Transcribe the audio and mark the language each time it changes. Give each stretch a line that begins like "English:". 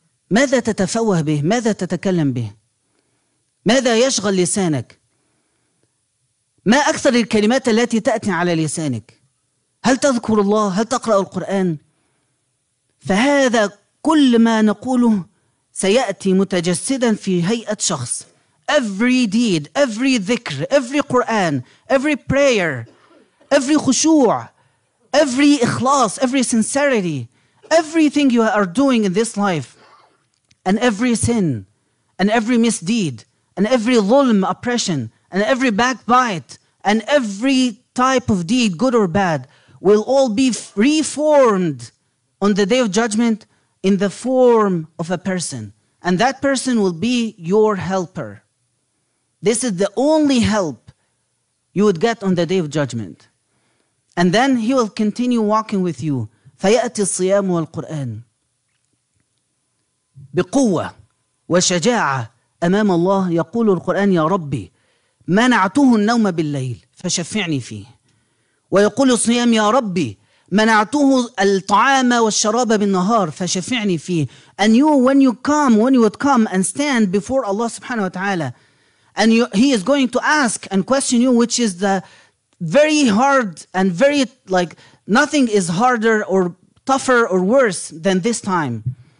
Arabic: ماذا تتفوه به؟ ماذا تتكلم به؟ ماذا يشغل لسانك؟ ما أكثر الكلمات التي تأتي على لسانك؟ هل تذكر الله؟ هل تقرأ القرآن؟ فهذا كل ما نقوله سيأتي متجسدا في هيئة شخص.
English: Every deed, every ذكر, every Quran, every prayer, every خشوع, every إخلاص, every sincerity, everything you are doing in this life, and every sin, and every misdeed, and every ظلم, oppression, and every backbite, and every type of deed, good or bad, will all be reformed on the Day of Judgment in the form of a person. And that person will be your helper. This is the only help you would get on the Day of Judgment. And then he will continue walking with you.
Arabic: فيأتي الصيام والقرآن بقوة وشجاعة أمام الله. يقول القرآن يا ربي منعته النوم بالليل فشفعني فيه. ويقول الصيام يا ربي منعته الطعام والشراب بالنهار فشفعني فيه.
English: And you, when you come, when you would come and stand before Allah subhanahu wa ta'ala, and you, he is going to ask and question you, which is the very hard and very, like, nothing is harder or tougher or worse than this time.